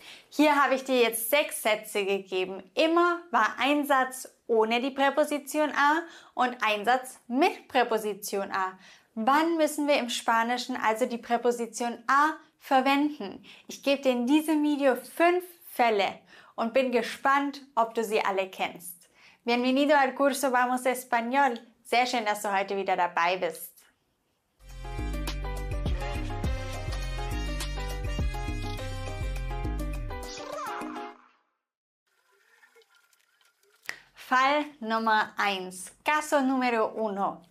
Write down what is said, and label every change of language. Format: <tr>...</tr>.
<de>Hier habe ich dir jetzt 6 Sätze gegeben. Immer war ein Satz ohne die Präposition a und ein Satz mit Präposition a. Wann müssen wir im Spanischen also die Präposition a verwenden? Ich gebe dir in diesem Video 5 Fälle und bin gespannt, ob du sie alle kennst.</de> <es>Bienvenido al curso Vamos Español.</es> <de>Sehr schön, dass du heute wieder dabei bist. Fall Nummer 1.</de> <es>Caso número uno.</es>